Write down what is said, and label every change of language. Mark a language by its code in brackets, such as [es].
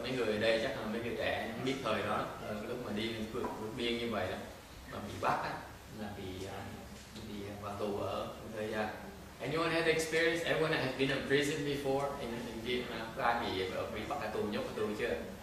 [vi] Mấy người ở đây chắc là mấy người trẻ biết thời đó, lúc mà đi vượt biên như vậy đó, mà bị bắt á, là bị vào tù ở thời gian. [en] Anyone have experience? Everyone have been in prison before in Vietnam? [vi] Có ai bị bắt tù, nhốt tù chưa?